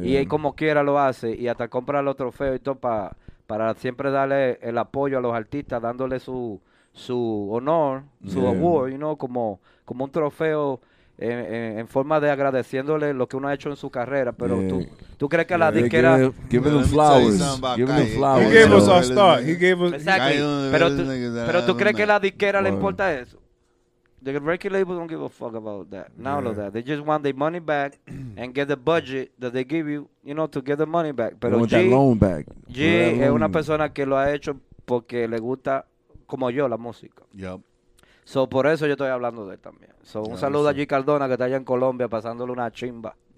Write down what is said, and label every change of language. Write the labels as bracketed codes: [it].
[es] Y él como quiera lo hace y hasta compra los trofeos y todo para siempre darle el apoyo a los artistas, dándole su honor, su award, you know, como un trofeo en forma de agradeciéndole lo que uno ha hecho en su carrera, pero tú crees que la disquera [en] give him flowers. He gave us our start. He gave us [es] pero tú crees que la disquera le importa eso? [en] The record label don't give a fuck about that. None of that. They just want their money back and get the budget that they give you, you know, to get the money back. [es] Pero [en] they want G, that loan back. [es] G es una persona que lo ha hecho porque le gusta como yo, la música. [en] Yep. [es] So, por eso yo estoy hablando de él también. So, un saludo a G Cardona, que está allá en Colombia, pasándole una chimba.